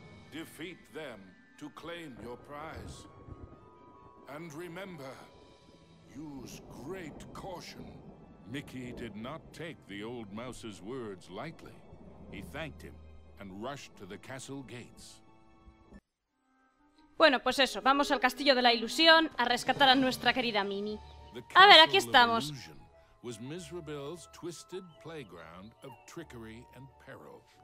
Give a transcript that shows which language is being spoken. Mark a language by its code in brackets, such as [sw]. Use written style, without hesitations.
[en] Defeat them to claim your prize. And remember, use great caution. Mickey did not take the old mouse's words lightly. He thanked him and rushed to the castle gates. [es] Bueno, pues eso, vamos al Castillo de la Ilusión a rescatar a nuestra querida Minnie. A ver, aquí estamos. [en] The Castle of Illusion was Mizrabel's twisted playground of trickery and peril.